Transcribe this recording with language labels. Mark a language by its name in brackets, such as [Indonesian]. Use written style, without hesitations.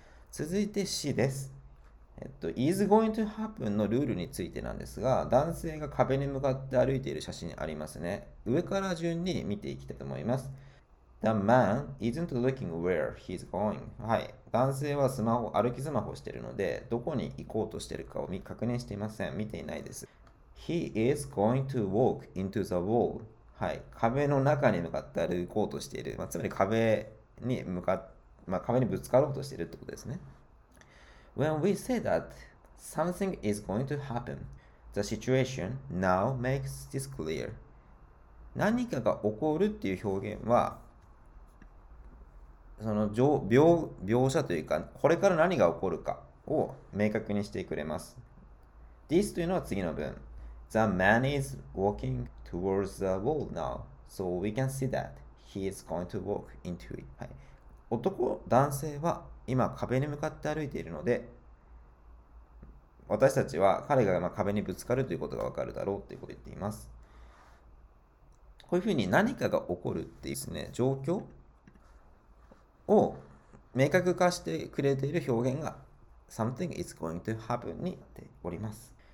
[Japanese] 続いて C です。 [English] Is going to happen [Japanese] のルールについてなんですが、男性が壁に向かって歩いている写真ありますね。上から順に見ていきたいと思います。 [English] The man isn't looking where he's going. [Japanese] はい。男性はスマホ、歩きスマホをしているので、どこに行こうとしているかを確認していません。見ていないです。 [English] He is going to walk into the wall. [Japanese] はい。壁の中に向かって歩こうとしている。まあ、つまり壁にぶつかろうとしているということですね。 [English] When we say that something is going to happen, the situation now makes this clear. [Japanese] 何かが起こるっていう表現は、描写というか、これから何が起こるかを明確にしてくれます。 This というのは次の文。 [English] The man is walking towards the wall now, so we can see that he is going to walk into it. [Japanese] はい。男性は今壁に向かって歩いているので、私たちは彼が壁にぶつかるということがわかるだろうということを言っています。こういうふうに何かが起こるっていうですね、状況を明確化してくれている表現が [English] Something is going to happen [Japanese] になっております。